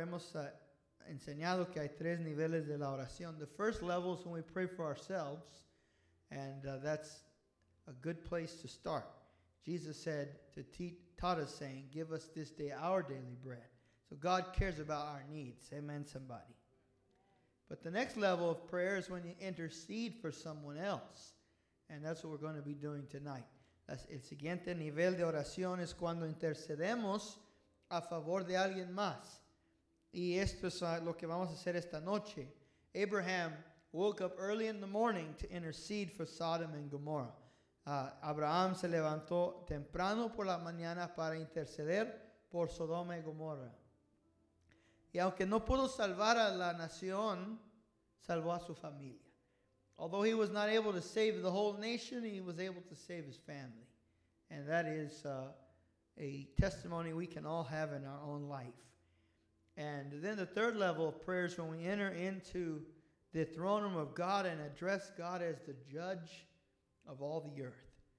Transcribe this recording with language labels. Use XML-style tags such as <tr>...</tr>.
<es>Hemos enseñado que hay tres niveles de la oración.</es> <en>The first level is when we pray for ourselves, and that's a good place to start. Jesus said to taught us, saying, "Give us this day our daily bread." So God cares about our needs. Amen, somebody. But the next level of prayer is when you intercede for someone else, and that's what we're going to be doing tonight.</en> <es>El siguiente nivel de oración es cuando intercedemos a favor de alguien más. Y esto es lo que vamos a hacer esta noche.</es> <en>Abraham woke up early in the morning to intercede for Sodom and Gomorrah.</en> <es>Abraham se levantó temprano por la mañana para interceder por Sodoma y Gomorra. Y aunque no pudo salvar a la nación, salvó a su familia.</es> <en>Although he was not able to save the whole nation, he was able to save his family. And that is a testimony we can all have in our own life. And then the third level of prayer is when we enter into the throne room of God and address God as the judge of all the earth.</en>